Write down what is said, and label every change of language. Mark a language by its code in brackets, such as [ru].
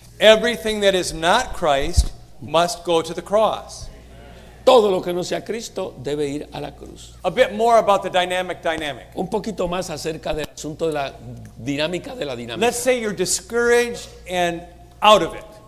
[en] Everything that is not Christ must go to the cross. [es] Todo lo que no sea Cristo debe ir a la cruz. [en] A bit more about the dynamic dynamic. [es] Un poquito más acerca del asunto de la dinámica de la dinámica. [en] Let's say you're discouraged and out of it.